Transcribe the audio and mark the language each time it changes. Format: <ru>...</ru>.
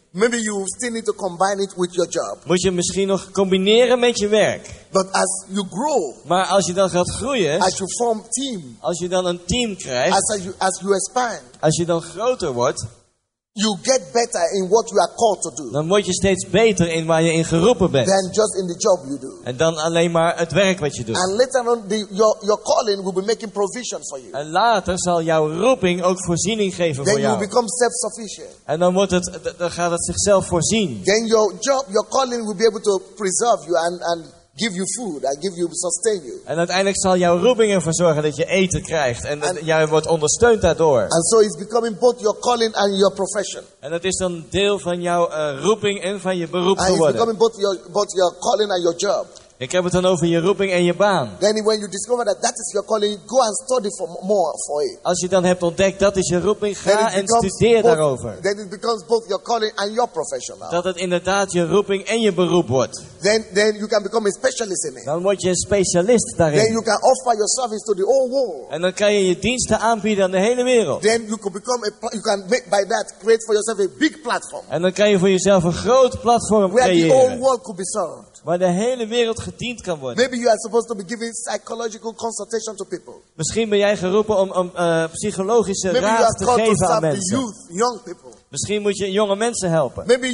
<en>Maybe you still need to combine it with your job.</en> <nl>Moet je misschien nog combineren met je werk.</nl> <en>But as you grow,</en> <nl>maar als je dan gaat groeien.</nl> <en>As you form team,</en> <nl>als je dan een team krijgt.</nl> <en>As you expand,</en> <nl>als je dan groter wordt.</nl> <en>You get better in what you are called to do.</en> <nl>Dan word je steeds beter in waar je in geroepen bent.</nl> <en>Than just in the job you do.</en> <nl>En dan alleen maar het werk wat je doet.</nl> <en>And later on, your calling will be making provision for you.</en> <nl>En later zal jouw roeping ook voorziening geven</nl> <en>then Then you become self-sufficient.</en> <nl>En dan wordt het, dan gaat het zichzelf voorzien.</nl> <en>Then your job, your calling will be able to preserve you and give you food and give you sustain you.</en> <nl>En uiteindelijk zal jouw roeping ervoor zorgen dat je eten krijgt en jij wordt ondersteund daardoor.</nl> <en>And so it's becoming both your calling and your profession.</en> <nl>En het is dan deel van jouw roeping en van je beroep geworden.</nl> <en>It's becoming both your calling and your job.</en> <nl>Ik heb het dan over je roeping en je baan.</nl> <en>Then when you discover that is your calling, go and study for more for it.</en> <nl>Als je dan hebt ontdekt dat is je roeping, ga en studeer daarover.</nl> <en>Then it becomes both your calling and your profession.</en> <nl>Dat het inderdaad je roeping en je beroep wordt.</nl> <en>Then you can become a specialist in it.</en> <nl>Dan word je een specialist daarin.</nl> <en>Then you can offer your service to the whole world.</en> <nl>En dan kan je je diensten aanbieden aan de hele wereld.</nl> <en>Then you can become by that create for yourself a big platform.</en> <nl>En dan kan je voor jezelf een groot platform</nl> <en>where</en> <nl>creëren.</nl> <en>The whole world could be served.</en> <nl>Waar de hele wereld gediend kan worden.</nl> <en>Maybe you are supposed to be giving psychological consultation to people.</en> <nl>Misschien ben jij geroepen om psychologische</nl> <en>Maybe</en> <nl>raad te geven aan mensen.</nl> <en>The youth, young people.</en> <nl>Misschien moet je jonge mensen helpen.</nl>